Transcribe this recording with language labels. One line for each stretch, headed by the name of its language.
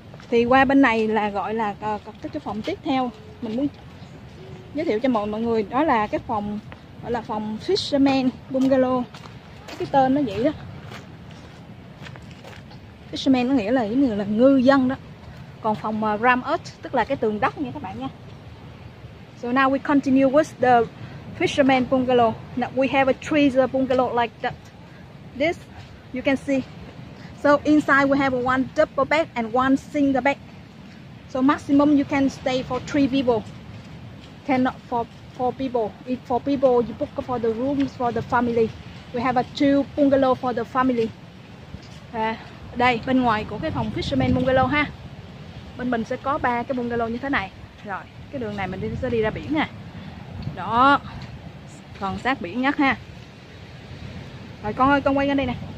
Vietnamese: Thì qua bên này là gọi là cái phòng tiếp theo mình muốn giới thiệu cho mọi người, đó là cái phòng gọi là phòng Fisherman Bungalow. Cái tên nó vậy đó. Fisherman có nghĩa là những người là ngư dân đó. Còn phòng Ram Earth tức là cái tường đất nha các bạn nha.
English: So now we continue with the Fisherman Bungalow. Now we have a trees bungalow like that. This you can see. So inside we have one double bed and one single bed. So maximum you can stay for 3 people. Cannot for 4 people. If 4 people you book for the rooms for the family. We have a 2 bungalow for the family.
Vietnamese: Đây bên ngoài của cái phòng Fisherman Bungalow ha. Bên mình sẽ có 3 cái bungalow như thế này. Rồi, cái đường này mình đi sẽ đi ra biển nè. Đó. Còn sát biển nhất ha. Rồi con ơi, con quay lên đây nè.